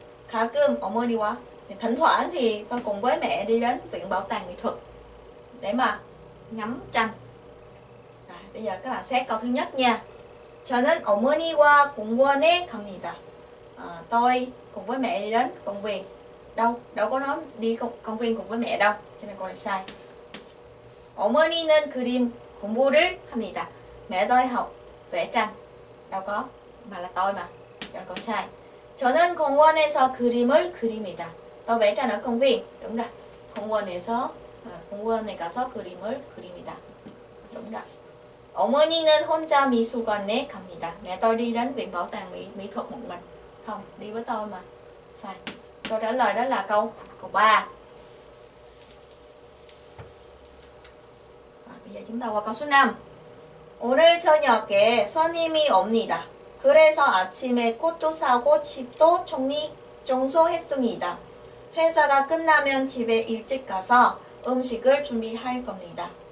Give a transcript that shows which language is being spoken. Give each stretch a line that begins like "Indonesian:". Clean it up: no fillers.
Korean: 가끔 어머니와
Vietnamese: thỉnh thoảng thì con cùng với mẹ đi đến viện bảo tàng nghệ thuật để mà ngắm tranh. À, bây giờ các bạn xét câu thứ nhất nha.
Korean: 저는 어머니와 공원에 갑니다.
Vietnamese: Tôi cùng với mẹ đi đến công viên. Đâu có nói đi công viên cùng với mẹ đâu. Cho nên con lại sai.
Korean: 어머니는 그림 공부를 합니다.
Vietnamese: Mẹ tôi học vẽ tranh. Đâu có. Mà là tôi mà. Cho nên con sai.
Korean: 저는 공원에서 그림을 그립니다.
Vietnamese: Tôi vẽ tranh ở công viên. Đúng rồi.
Korean: Công viên에 가서 그림을 그립니다.
Vietnamese: Đúng rồi.
Korean: 어머니는 혼자 미술관에 갑니다.
Vietnamese: Mẹ tôi đi đến viện bảo tàng mỹ thuật một mình. Không, đi với tôi mà. Sai. Câu trả lời đó là câu 3. À, bây giờ chúng ta qua câu số 5.
Korean: 오늘 저녁에 손님이 옵니다. 그래서 아침에 꽃도 사고 집도 청소했습니다. 회사가 끝나면 집에 일찍 가서 음식을 준비할 겁니다.